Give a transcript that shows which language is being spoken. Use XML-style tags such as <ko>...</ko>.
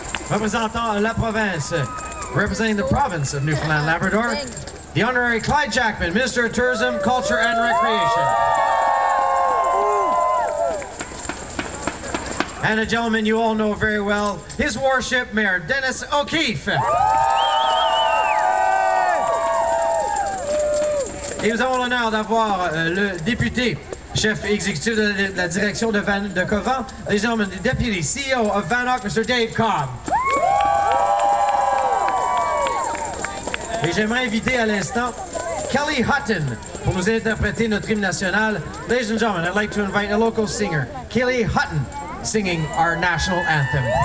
<fr>Representant la province,</fr> <en>representing the province of Newfoundland, Labrador, the Honorary Clyde Jackman, Minister of Tourism, Culture and Recreation. And a gentleman you all know very well, His Worship Mayor Dennis O'Keefe.</en> <fr>Et nous avons l'honneur d'avoir le député, chef exécutif de la direction de Van de Covan, les gentlemen,</fr> <en>the deputy CEO of Vanock, Mr. Dave Cobb.</en> <fr>Et j'aimerais inviter à l'instant Kelly Hutton pour nous interpréter notre hymne national.</fr> <en>Ladies and gentlemen, I'd like to invite a local singer, Kelly Hutton, singing our national anthem.</en>